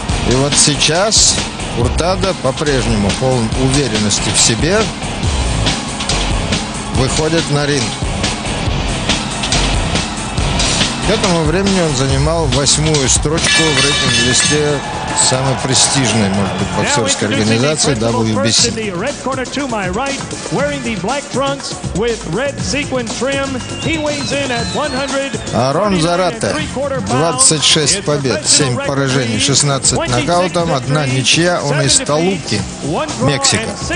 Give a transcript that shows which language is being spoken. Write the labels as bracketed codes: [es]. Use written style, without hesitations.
[ru] И вот сейчас Уртада по-прежнему полон уверенности в себе, выходит на ринг. К этому времени он занимал 8-ю строчку в рейтинг-листе самой престижной, может быть, боксерской организации WBC. [en] In the red corner to my right, wearing the black trunks with red sequin trim, he weighs in at 100. [ru] Зарате, 26 побед, 7 поражений, 16 нокаутом, одна ничья, он из Толуки, Мексика.